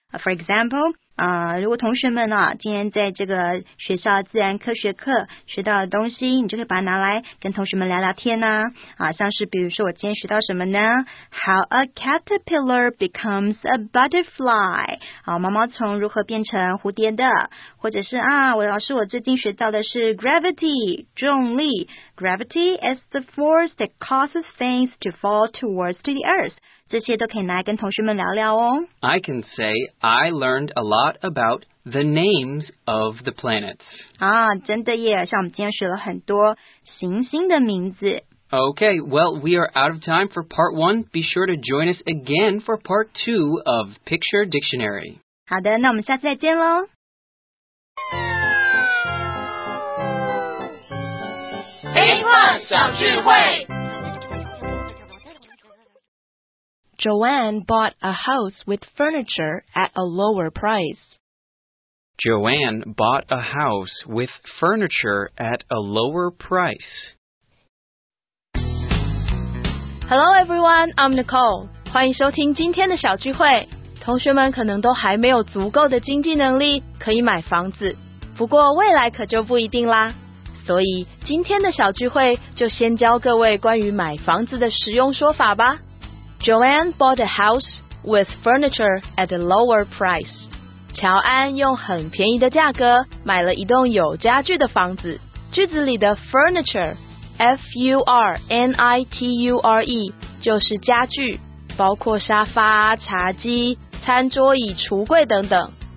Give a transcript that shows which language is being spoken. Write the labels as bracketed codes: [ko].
[en] For example... [zh] 如果同学们呢、今天在这个学校自然科学课学到的东西，你就可以把它拿来跟同学们聊聊天呢、像是比如说我今天学到什么呢 [en] How a caterpillar becomes a butterfly、 [zh] 毛毛虫如何变成蝴蝶的，或者是我最近学到的是 gravity 重力 [en] Gravity is the force that causes things to fall towards the earth [zh] 这些都可以拿来跟同学们聊聊哦 [en] I can say I learned a lot about the names of the planets. [zh] 真的耶，像我们今天学了很多行星的名字。 [en] Okay, well, we are out of time for part one. Be sure to join us again for part two of Picture Dictionary. [zh] 好的，那我们下次再见咯。 [en] Joanne bought a house with furniture at a lower price. Joanne bought a house with furniture at a lower price. Hello everyone, I'm Nicole. [zh] 欢迎收听今天的小聚会。同学们可能都还没有足够的经济能力可以买房子，不过未来可就不一定啦。所以今天的小聚会就先教各位关于买房子的实用说法吧。 [en] Joanne bought a house with furniture at a lower price. [zh] 乔安用很便宜的价格买了一栋有家具的房子。句子里的 furniture, F-U-R-N-I-T-U-R-E, 就是家具，包括沙发、茶几、餐桌椅、橱柜等等。